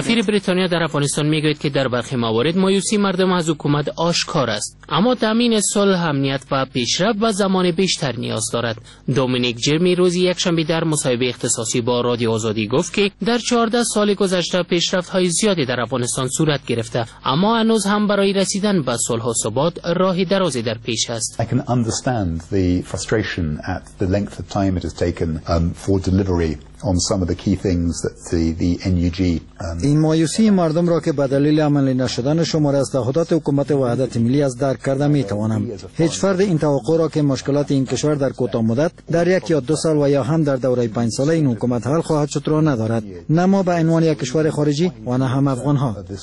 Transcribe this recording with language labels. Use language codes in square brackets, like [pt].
[fa] سفیر بریتانیا در افغانستان میگوید که در برخی موارد مایوسی مردم از حکومت آشکار است، اما تامین صلح، امنیت و پیشرفت به زمان بیشتر نیاز دارد. دومینیک جرمی روز یکشنبه در مصاحبه اختصاصی با رادیو آزادی گفت که در 14 سال گذشته پیشرفت‌های زیادی در افغانستان صورت گرفته، اما هنوز هم برای رسیدن به صلح و ثبات راه درازی در پیش است. [en] I can understand the frustration at the length of time it has taken for delivery on some of the key things that the NUG [fa] این مایوسی مردم را که به دلیل عملی نشدن شماره از تعهدات حکومت وحدت ملی است درک کرده می توانم. هیچ فرد این توقع را که مشکلات این کشور در کوتاه مدت در یک یا دو سال و یا هم در دوره 5 ساله این حکومت حل خواهد شد را ندارد، نه ما به عنوان یک کشور خارجی و نه هم افغان ها.